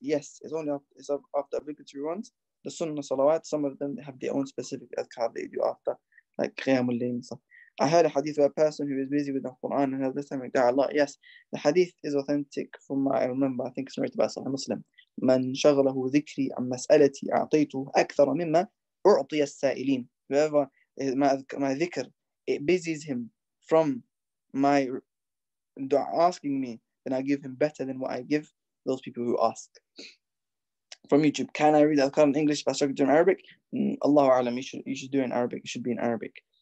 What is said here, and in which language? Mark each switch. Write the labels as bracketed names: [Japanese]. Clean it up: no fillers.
[English] Yes, it's only after obligatory ones. The sunnah salawat, some of them have their own specific adhkar they do after, like qiyamul layl and stuff. I heard a hadith of a person who is busy with the Quran and has this time with Allah. Yes, the hadith is authentic from what I remember. I think it's narrated by Sahih Muslim. [Arabic] من شغله ذكري عن مسألتي أعطيته أكثر مما أعطي السائلين. [English] Whoever my ذكر, it busies him from my asking me, then I give him better than what I give those people who ask. From YouTube, can I read Al-Quran in English if I struggle to do in Arabic? Allahu A'lam, you should do it in Arabic. It should be in Arabic.